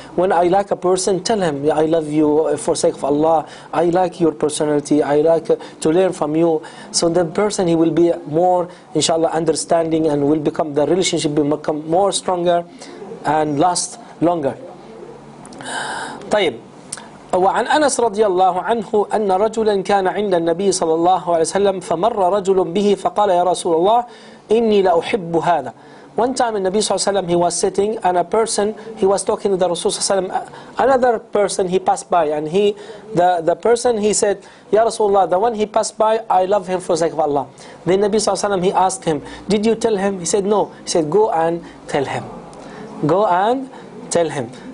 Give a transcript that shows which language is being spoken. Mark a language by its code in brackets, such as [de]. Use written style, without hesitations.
[en] When I like a person, tell him, I love you for sake of Allah, I like your personality, I like to learn from you. So the person, he will be more, inshallah, understanding, and will become, the relationship will become more stronger and last longer. [ar] طيب وعن أنس رضي الله عنه أن رجلا كان عند النبي صلى الله عليه وسلم فمر رجل به فقال يا رسول الله إني لأحب هذا. [en] One time, the Nabi Sallallahu Alaihi Wasallam, he was sitting, and a person, he was talking to the Rasul Sallallahu Alaihi Wasallam. Another person, he passed by, and the person, he said, "Ya Rasulullah, the one he passed by, I love him for the sake of Allah." Then Nabi Sallallahu Alaihi Wasallam, he asked him, "Did you tell him?" He said, "No." He said, "Go and tell him. Go and tell him."